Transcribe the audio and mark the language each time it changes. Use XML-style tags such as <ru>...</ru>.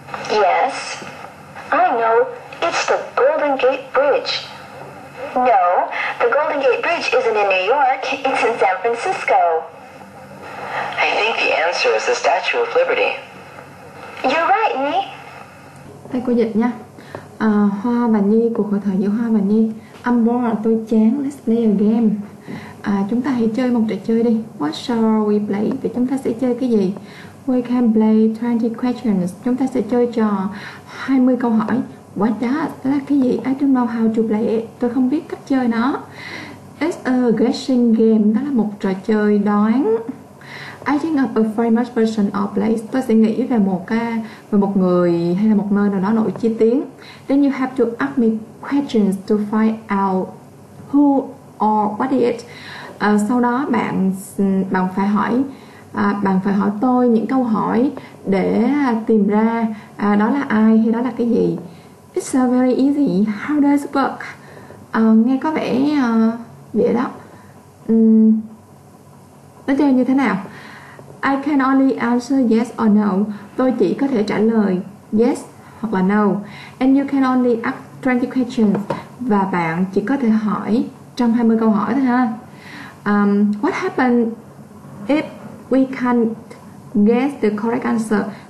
<en>Yes. I know. It's the Golden Gate Bridge. No, the Golden Gate Bridge isn't in New York. It's in San Francisco. I think the answer is the Statue of Liberty. You're right, Nhi.</en> <vi>Tay cô dịch nha. Hoa và Nhi, cuộc hội thoại giữa Hoa và Nhi.</vi> <en>I'm bored,</en> <vi>tôi chán.</vi> <en>Let's play a game.</en> <vi>Chúng ta hãy chơi một trò chơi đi.</vi> <en>What shall we play?</en> <vi>Vậy chúng ta sẽ chơi cái gì?</vi> <en>We can play 20 questions.</en> <vi>Chúng ta sẽ chơi trò 20 câu hỏi.</vi> <en>What does?</en> <vi>Đó là cái gì?</vi> <en>I don't know how to play it.</en> <vi>Tôi không biết cách chơi nó.</vi> <en>It's a guessing game.</en> <vi>Đó là một trò chơi đoán.</vi> <en>I think of a famous person or place.</en> <vi>Tôi sẽ nghĩ về một người hay là một nơi nào đó nổi chi tiếng.</vi> <en>Then you have to ask me questions to find out who or what it.</en> <vi>Sau đó bạn phải hỏi tôi những câu hỏi để tìm ra đó là ai hay đó là cái gì.</vi> <en>It's very easy. How does it work?</en> <vi>Nghe có vẻ dễ đó. Nó chơi như thế nào?</vi> <en>I can only answer yes or no.</en> <vi>Tôi chỉ có thể trả lời yes hoặc là no.</vi> <en>And you can only ask 20 questions.</en> <vi>Và bạn chỉ có thể hỏi trong 20 câu hỏi thôi ha.</vi> <en>What happened if we can't guess the correct answer?</en>